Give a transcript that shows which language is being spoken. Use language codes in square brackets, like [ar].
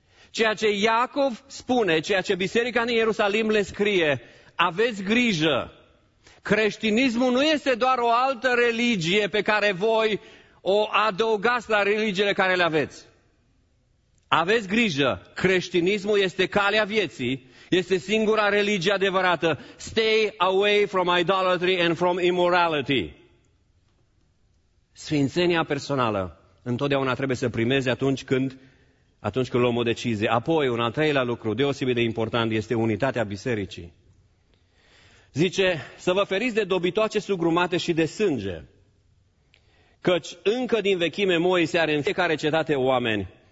[ro] Ceea ce Iacov spune, ceea ce biserica din Ierusalim le scrie, aveți grijă, creștinismul nu este doar o altă religie pe care voi o adăugați la religiile care le aveți. Aveți grijă, creștinismul este calea vieții, este singura religie adevărată. [en] Stay away from idolatry and from immorality. [ro] Sfințenia personală întotdeauna trebuie să primeze atunci când luăm o decizie. Apoi, un al treilea lucru deosebit de important este unitatea bisericii. Zice, să vă feriți de dobitoace sugrumate și de sânge, căci încă din vechime Moise are în fiecare cetate oameni.